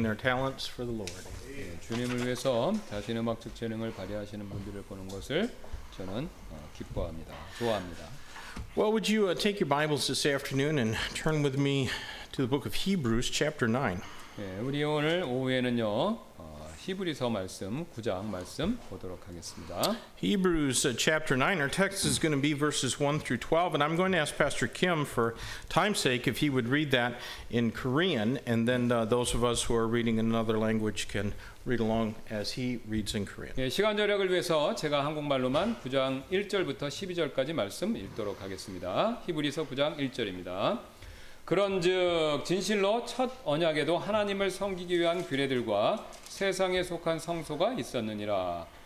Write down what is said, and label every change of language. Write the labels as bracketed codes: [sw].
[ko] 주님을 위해서 자신의 음악적 재능을 발휘하시는 분들을 보는 것을 저는 기뻐합니다. 좋아합니다. [en] Well, would you take your Bibles this afternoon and turn with me to the book of Hebrews, chapter 9? [ko] 네, 우리 오늘 오후에는요 히브리서 말씀 9장 말씀 보도록 하겠습니다. [en] Hebrews chapter 9. Our text is going to be verses 1 through 12, and I'm going to ask Pastor Kim for time's sake if he would read that in Korean, and then those of us who are reading another language can read along as he reads in Korean. [ko] 네, 시간 절약을 위해서 제가 한국말로만 9장 1절부터 12절까지 말씀 읽도록 하겠습니다. 히브리서 9장 1절입니다. 그런즉 진실로 첫 언약에도 하나님을 섬기기 위한 규례들과 세상에 속한 성소가 있었느니라.